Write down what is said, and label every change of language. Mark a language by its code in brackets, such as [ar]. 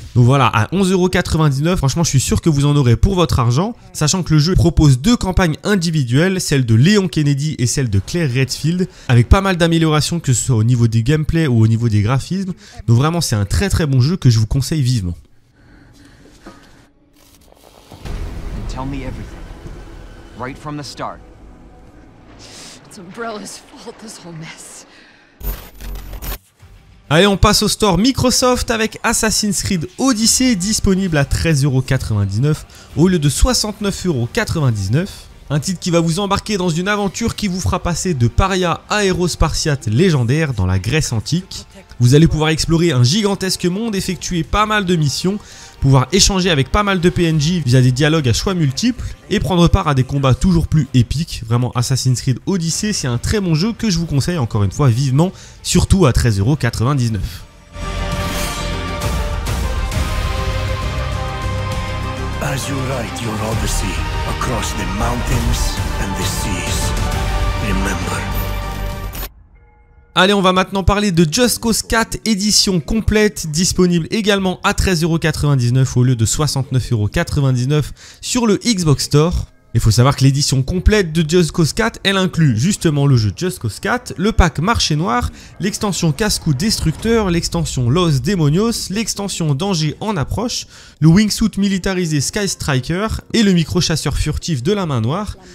[fr] Donc voilà, à 11,99€, franchement, je suis sûr que vous en aurez pour votre argent, sachant que le jeu propose deux campagnes individuelles, celle de Léon Kennedy et celle de Claire Redfield, avec pas mal d'améliorations, que ce soit au niveau du gameplay ou au niveau des graphismes. Donc vraiment, c'est un très très bon jeu que je vous conseille vivement. [en] And tell me everything, right from the start. It's Umbrella's fault, this whole mess. [fr] Allez, on passe au store Microsoft avec Assassin's Creed Odyssey, disponible à 13,99€ au lieu de 69,99€. Un titre qui va vous embarquer dans une aventure qui vous fera passer de paria à héros spartiate légendaire dans la Grèce antique. Vous allez pouvoir explorer un gigantesque monde, effectuer pas mal de missions, pouvoir échanger avec pas mal de PNJ via des dialogues à choix multiples et prendre part à des combats toujours plus épiques. Vraiment, Assassin's Creed Odyssey, c'est un très bon jeu que je vous conseille encore une fois vivement, surtout à 13,99€. [en] As you write your odyssey across the mountains and the seas, remember. [fr] Allez, on va maintenant parler de Just Cause 4 édition complète, disponible également à 13,99€ au lieu de 69,99€ sur le Xbox Store. Il faut savoir que l'édition complète de Just Cause 4, elle inclut justement le jeu Just Cause 4, le pack Marché Noir, l'extension Casse-Cou Destructeur, l'extension Los Demonios, l'extension Danger en Approche, le wingsuit militarisé Sky Striker et le micro-chasseur furtif de la main noire.